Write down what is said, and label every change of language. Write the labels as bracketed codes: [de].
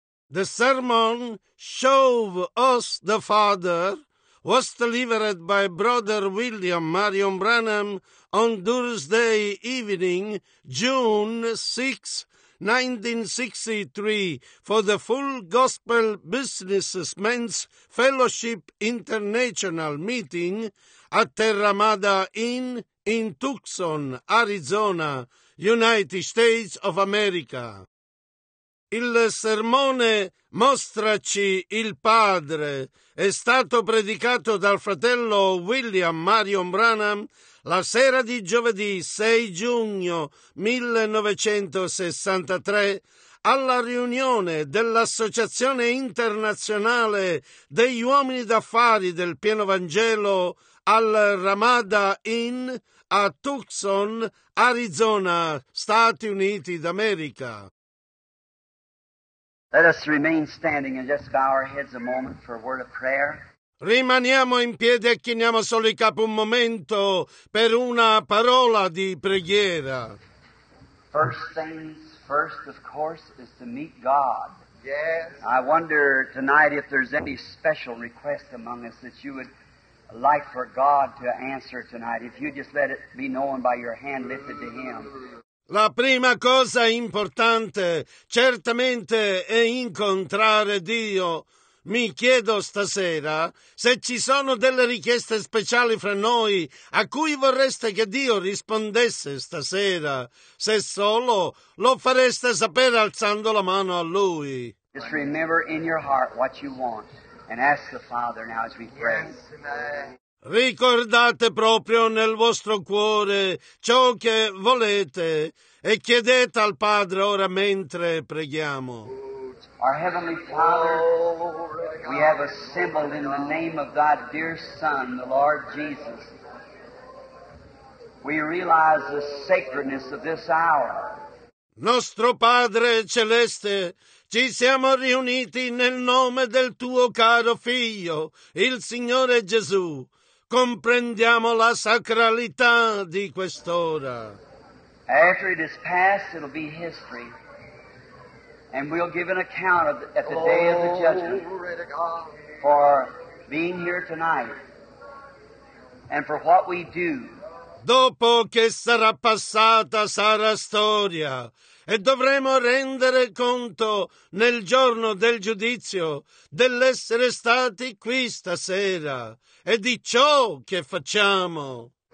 [en] The sermon, "Show Us the Father," was delivered by Brother William Marion Branham on Thursday evening, June 6, 1963, for the Full Gospel Businessmen's Fellowship International meeting at Terramada Inn in Tucson, Arizona, United States of America. [it] Il sermone "Mostraci il Padre" è stato predicato dal fratello William Marion Branham la sera di giovedì 6 giugno 1963 alla riunione dell'Associazione Internazionale degli Uomini d'Affari del Pieno Vangelo al Ramada Inn a Tucson, Arizona, Stati Uniti d'America. [en] Let us remain standing and just bow our heads a moment for a word of prayer. [it] Rimaniamo in piedi e chiniamo solo il capo un momento per una parola di preghiera. [en] First things first, of course, is to meet God. Yes. I wonder tonight if there's any special request among us that you would like for God to answer tonight. If you just let it be known by your hand lifted to Him. [it] La prima cosa importante, certamente, è incontrare Dio. Mi chiedo stasera se ci sono delle richieste speciali fra noi a cui vorreste che Dio rispondesse stasera. Se solo, lo fareste sapere alzando la mano a Lui. [en] Just remember in your heart what you want and ask the Father now as we pray. Yes. [it] Ricordate proprio nel vostro cuore ciò che volete e chiedete al Padre ora mentre preghiamo. [en] Our Heavenly Father, we have assembled in the name of Thy dear Son, the Lord Jesus. We realize the sacredness of this hour. [it] Nostro Padre Celeste, ci siamo riuniti nel nome del Tuo caro Figlio, il Signore Gesù. Comprendiamo la sacralità di quest'ora. [en] After it is past, it'll be history. And we'll give an account of at the day of the judgment for being here tonight and for what we do. [it] Dopo che sarà passata, sarà storia. E dovremo rendere conto nel giorno del giudizio dell'essere stati qui stasera e di ciò che facciamo.